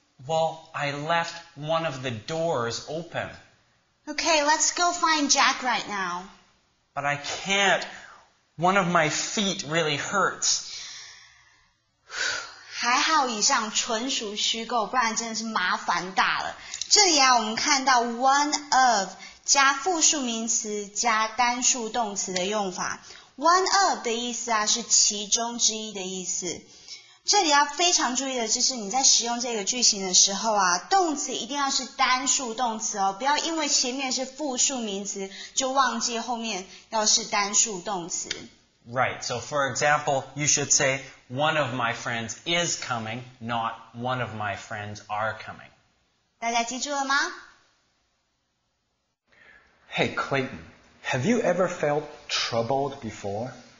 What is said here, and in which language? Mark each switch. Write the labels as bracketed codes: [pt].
[en] Well, I left one of the doors open. Okay, let's go find Jack right now. But I can't. One of my feet really hurts. [zh] 还好以上纯属虚构，不然真的是麻烦大了。这里啊，我们看到 one of 加复数名词加单数动词的用法。 one of 的意思啊，是其中之一的意思。这里要非常注意的就是你在使用这个句型的时候啊，动词一定要是单数动词哦，不要因为前面是复数名词就忘记后面要是单数动词。 [en] Right, so for example, you should say, one of my friends is coming, not one of my friends are coming. [zh] 大家记住了吗？ [en] Hey, Clayton, have you ever felt troubled before?